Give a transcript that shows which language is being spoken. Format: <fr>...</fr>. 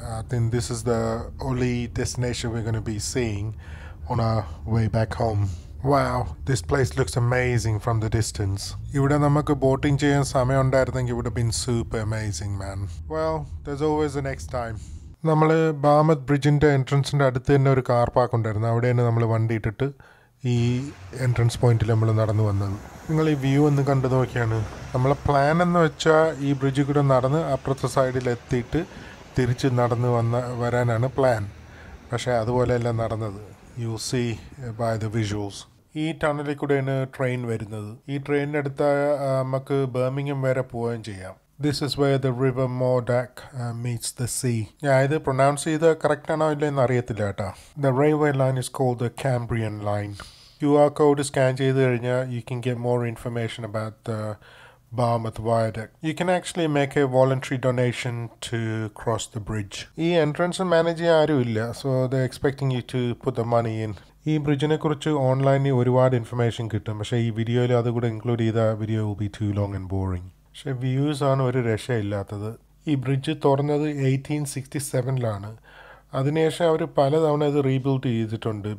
<en>I think this is the only destination we're going to be seeing on our way back home. Wow, this place looks amazing from the distance. If we had a boating time, I think it would have been super amazing, man. Well, there's always the next time.</en> <ml>നമ്മൾ ബാമത് ബ്രിഡ്ജിൻ്റെ എൻട്രൻസിൻ്റെ അടുത്ത് തന്നെ ഒരു car park ഉണ്ടായിരുന്നു. അവിടെ തന്നെ നമ്മൾ വണ്ടി ഇട്ടിട്ട് ഈ എൻട്രൻസ് പോയിന്റിൽ നമ്മൾ നടന്നു വന്നത്. നിങ്ങൾ ഈ വ്യൂ ഒന്ന് കണ്ടു നോക്കിയാണ്. നമ്മളെ പ്ലാൻ എന്ന് വെച്ചാൽ ഈ ബ്രിഡ്ജിൽ കൂടെ നടന്ന് അപ്പുറത്തെ സൈഡിൽ എത്തിയിട്ട് തിരിച്ച് നടന്ന് വരാനാണ് പ്ലാൻ. പക്ഷേ അതുപോലെയല്ല നടന്നത്.</ml> <en>You see by the visuals.</en> <ml>ഈ ടണലിൽ കൂടെയാണ് ട്രെയിൻ വരുന്നത്. ഈ ട്രെയിനിൻ്റെ അടുത്ത് നമുക്ക് ബേമിംഗ്ഹാം വരെ പോവുകയും ചെയ്യാം.</ml> <en>This is where the river Mordak meets the sea. Yeah, either pronounce either correct</en> <ml>ano illa ennu ariyathilla ta.</ml> <en>The railway line is called the Cambrian line. QR code scan</en> <ml>cheythu kaniya</ml> <en>you can get more information about the Bahamut Viaduct. You can actually make a voluntary donation to cross the bridge.</en> <ml>ഈ entrance manage ചെയ്യാൻ ആരും ഇല്ല.</ml> <en>So the expecting you to put the money in.</en> <ml>ഈ ബ്രിഡ്ജിനെ കുറിച്ച് ഓൺലൈനിൽ ഒരുപാട് information കിട്ടും. പക്ഷേ ഈ വീഡിയോയിൽ അതുകൂടെ ഇൻക്ലൂഡ് ചെയ്ത video</ml> <en>Will be too long and boring.</en> <ml>പക്ഷേ വ്യൂസാണ് ഒരു രക്ഷയില്ലാത്തത്. ഈ ബ്രിഡ്ജ് തുറന്നത് 1867 അതിനുശേഷം അവർ പലതവണ ഇത് റീബിൽഡ് ചെയ്തിട്ടുണ്ട്.</ml>